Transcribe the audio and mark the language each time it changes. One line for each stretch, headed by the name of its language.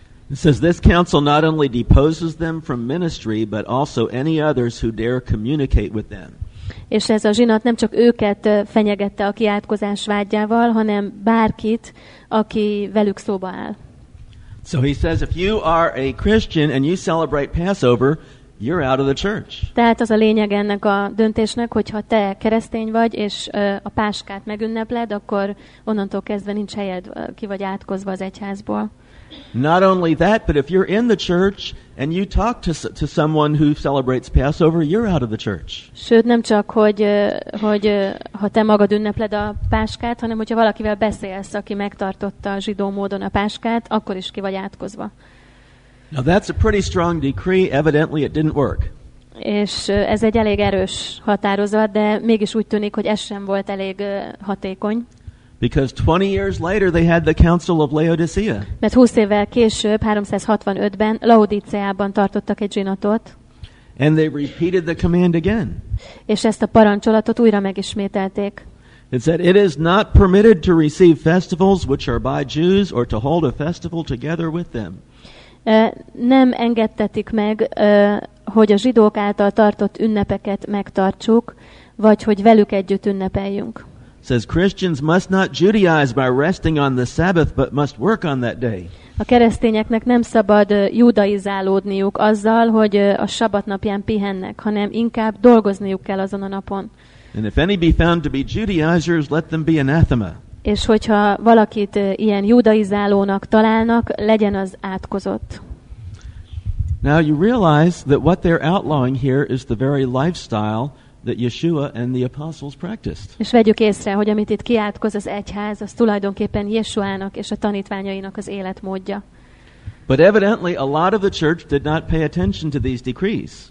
English: It says this council not only deposes them from ministry, but also any others who dare communicate with them.
Hungarian: És ez a zsinat nem csak őket fenyegette a kiátkozás vágyával, hanem bárkit, aki velük szóba áll.
English: So he says, if you are a Christian and you celebrate Passover, you're out of the church.
Hungarian: Tehát az a lényeg ennek a döntésnek, hogyha te keresztény vagy, és a páskát megünnepled, akkor onnantól kezdve nincs helyed, ki vagy átkozva az egyházból.
English: Not only that, but if you're in the church and you talk to someone who celebrates Passover, you're out of the church.
Hungarian: Sőt, nem csak, hogy ha te magad ünnepled a páskát, hanem hogyha valakivel beszélsz, aki megtartotta zsidó módon a páskát, akkor is ki vagy átkozva.
English: Now that's a pretty strong decree. Evidently it didn't work.
Hungarian: És ez egy elég erős határozat, de mégis úgy tűnik, hogy ez sem volt elég hatékony.
English: Because 20 years later they had the Council of Laodicea.
Hungarian: Mert 20 évvel később, 365-ben Laodiceában tartottak egy zsinatot.
English: And they repeated the command again.
Hungarian: És ezt a parancsolatot újra megismételték.
English: It said, "It is not permitted to receive festivals which are by Jews or to hold a festival together with them."
Hungarian: Nem engedtetik meg, hogy a zsidók által tartott ünnepeket megtartsuk, vagy hogy velük együtt ünnepeljünk.
English: Says Christians must not Judaize by resting on the Sabbath, but must work on that day.
Hungarian: A keresztényeknek nem szabad judaizálódniuk azzal, hogy a sabbat napján pihennek, hanem inkább dolgozniuk kell azon a napon.
English: And if any be found to be Judaizers, let them be anathema.
Hungarian: És hogyha valakit ilyen judaizálónak találnak, legyen az átkozott.
English: Now you realize that what they're outlawing here is the very lifestyle that Yeshua and the apostles practiced.
Hungarian: És vegyük észre, hogy amit itt kiátkoz az egyház, az tulajdonképpen Yeshuának és a tanítványainak az életmódja.
English: But evidently a lot of the church did not pay attention to these decrees.